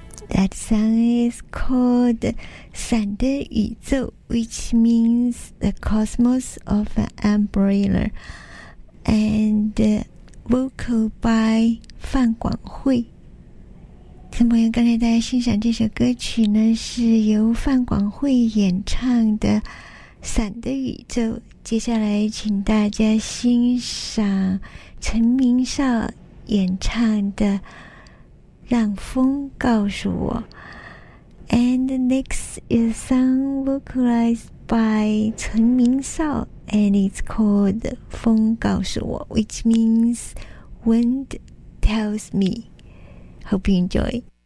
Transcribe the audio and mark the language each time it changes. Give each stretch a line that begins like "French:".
English: That song is called 闪的宇宙 which means the cosmos of an umbrella, and vocal by 范广慧。
Chinese: 听朋友，刚才大家欣赏这首歌曲呢，是由范广慧演唱的《闪的宇宙》。接下来，请大家欣赏陈明绍演唱的《让风告诉我》。
English: And next is a song vocalized by 陈明绍 and it's called《风告诉我》，which means "Wind tells me." Hope you enjoy.